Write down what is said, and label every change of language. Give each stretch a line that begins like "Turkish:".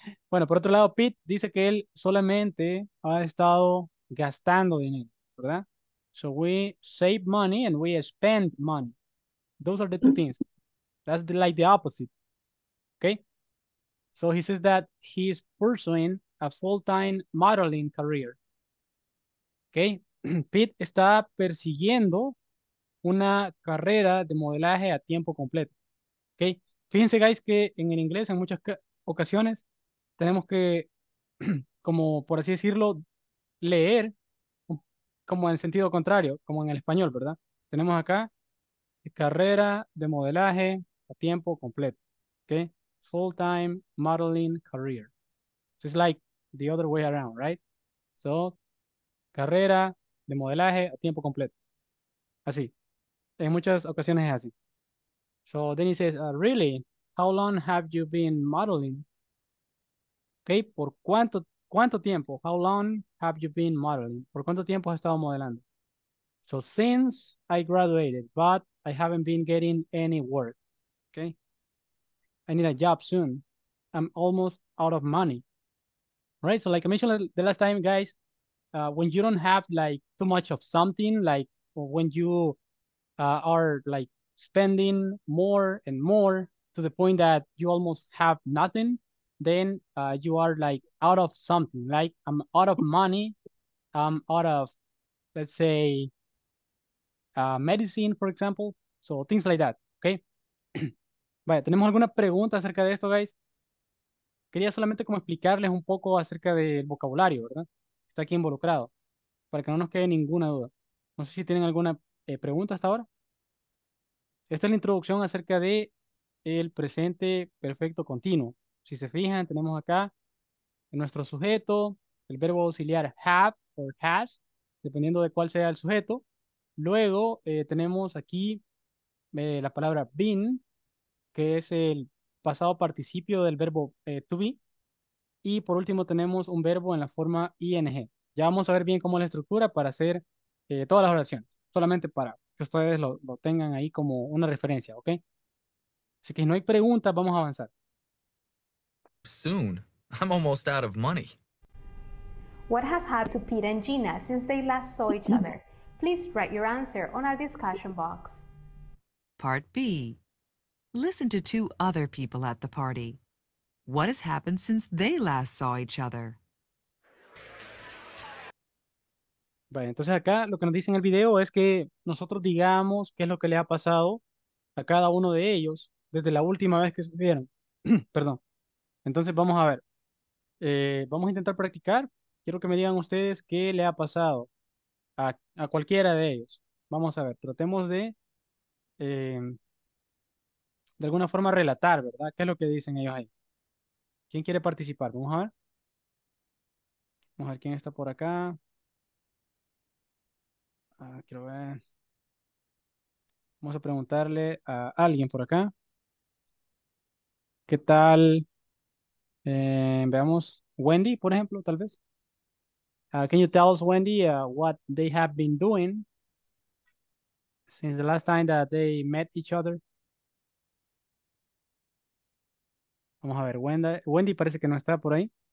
Spanish: Bueno, por otro lado, Pete dice que él solamente ha estado gastando dinero, ¿verdad?
English: So we save money and we spend money. Those are the two things. That's the, like the opposite. Okay? So he says that he is pursuing a full-time modeling career. Okay?
Spanish: Pete está persiguiendo una carrera de modelaje a tiempo completo. Okay? Fíjense, guys, que en el inglés en muchas ocasiones tenemos que, como por así decirlo, leer como en sentido contrario, como en el español, ¿verdad? Tenemos acá carrera de modelaje a tiempo completo.
English: Okay? Full-time modeling career. So it's like the other way around, right? So, carrera de modelaje a tiempo completo. Así. En muchas ocasiones es así. So then he says, really, how long have you been modeling? Okay, ¿por cuánto tiempo? How long have you been modeling? ¿Por cuánto tiempo has estado modelando? So since I graduated, but I haven't been getting any work. Okay, I need a job soon. I'm almost out of money. Right, so like I mentioned the last time, guys, when you don't have like too much of something, like when you are like spending more and more to the point that you almost have nothing, then you are like out of something. Like I'm out of money, I'm out of, let's say, medicine, for example. So things like that, okay?
Spanish: Vaya, ¿tenemos alguna pregunta acerca de esto, guys? Quería solamente como explicarles un poco acerca del vocabulario, ¿verdad? Está aquí involucrado, para que no nos quede ninguna duda. No sé si tienen alguna pregunta hasta ahora. Esta es la introducción acerca de el presente perfecto continuo. Si se fijan, tenemos acá nuestro sujeto, el verbo auxiliar have or has, dependiendo de cuál sea el sujeto. Luego tenemos aquí la palabra been, que es el pasado participio del verbo to be. Y por último tenemos un verbo en la forma ing. Ya vamos a ver bien cómo es la estructura para hacer todas las oraciones. Solamente para que ustedes lo tengan ahí como una referencia, ¿ok? Así que si no hay preguntas, vamos a avanzar.
English: Soon. I'm almost out of money. What has happened to Pete and Gina since they last saw each other? Please write your answer on our discussion box. Part B. Listen to two other people at the party. What has happened since they last saw each other?
Spanish: Vale, entonces acá lo que nos dice en el video es que nosotros digamos qué es lo que le ha pasado a cada uno de ellos desde la última vez que se vieron. Perdón. Entonces vamos a ver. Vamos a intentar practicar. Quiero que me digan ustedes qué le ha pasado a cualquiera de ellos. Vamos a ver. Tratemos de alguna forma relatar, ¿verdad? ¿Qué es lo que dicen ellos ahí? ¿Quién quiere participar? Vamos a ver. Vamos a ver quién está por acá. Quiero ver. Vamos a preguntarle a alguien por acá. ¿Qué tal? Veamos Wendy, por ejemplo, tal vez.
English: Can you tell us, Wendy, what they have been doing since the last time that they met each other?
Spanish: Vamos a ver, Wendy parece que no está por ahí.